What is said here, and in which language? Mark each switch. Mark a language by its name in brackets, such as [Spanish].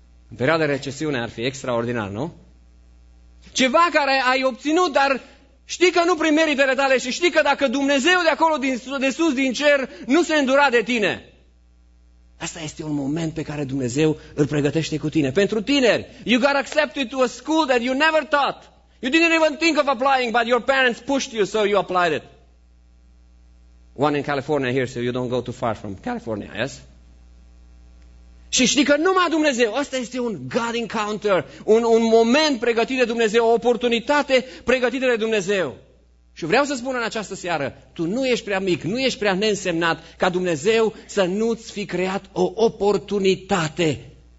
[Romanian] În perioada de recesiune ar fi extraordinar, nu? Ceva care ai obținut, dar știi că nu prin meritele tale și știi că dacă Dumnezeu de acolo, de sus, din cer, nu se îndura de tine. Asta este un moment pe care Dumnezeu îl pregătește cu tine. Pentru tineri, [English] you got accepted to a school that you never thought. You didn't even think of applying, but your parents pushed you, so you applied it. One in California here, so you don't go too far from California, yes? [Romanian] Și știi că numai Dumnezeu, ăsta este un [English] God encounter, [Romanian] un moment pregătit de Dumnezeu, o oportunitate pregătită de Dumnezeu. Și vreau să spun în această seară, tu nu ești prea mic, nu ești prea neînsemnat ca Dumnezeu să nu-ți fi creat o oportunitate.